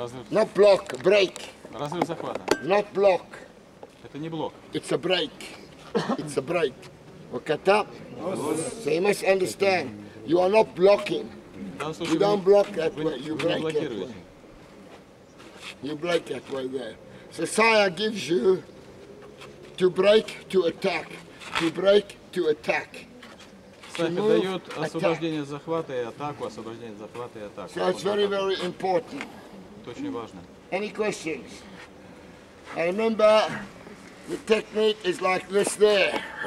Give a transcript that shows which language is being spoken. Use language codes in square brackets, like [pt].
[en] Not block, break. Not block. It's a break. It's a break. Okay, tap. So you must understand. You are not blocking. You don't block that way. You break that way. You break that way there. So Sire gives you to break, to attack. To break, to attack. [ru] Сайха дает освобождение захвата и атаку, освобождение захвата и атаку. [en] So it's very, very important. [ru] Это очень важно. [en] Any questions? I remember the technique is like this there.